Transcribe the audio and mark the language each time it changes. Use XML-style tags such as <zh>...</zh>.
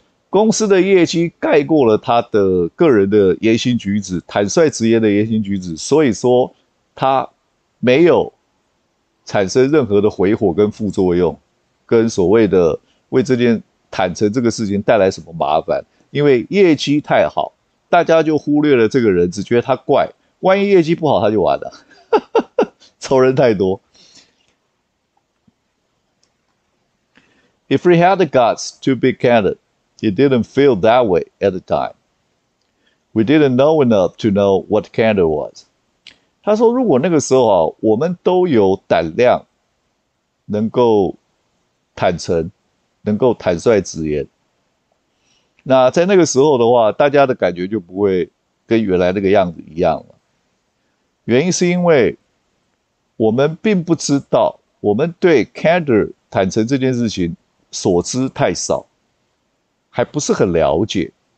<zh>公司的业绩盖过了他的个人的言行举止，坦率直言的言行举止，所以说他没有产生任何的回火跟副作用，跟所谓的为这件坦诚这个事情带来什么麻烦，因为业绩太好，大家就忽略了这个人，只觉得他怪，万一业绩不好他就完了，仇人太多。</zh> <en>If we had the guts to be candid, it didn't feel that way at the time。 We didn't know enough to know what candor was.</en> <zh>他说，如果那个时候啊，我们都有胆量，能够坦诚，能够坦率直言，那在那个时候的话，大家的感觉就不会跟原来那个样子一样了。原因是因为我们并不知道，我们对 candor 坦诚这件事情所知太少，还不是很了解。</zh>